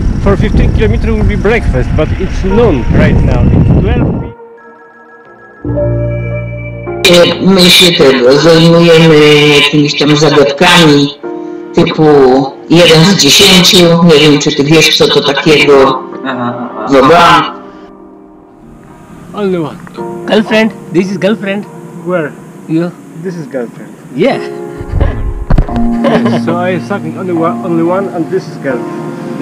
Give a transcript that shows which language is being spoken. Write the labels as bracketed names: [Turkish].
[English] For 15 kilometers will be breakfast, but it's noon right now. It's 12. [Polish] My się tego zajmujemy jakimiś tam zagadkami typu jeden z dziesięciu, nie wiem czy ty wiesz co to takiego. Dobra. [English] Only one. Girlfriend, this is girlfriend. Where? You. This is girlfriend. Yeah. Yes, so I suck only one and this is girlfriend.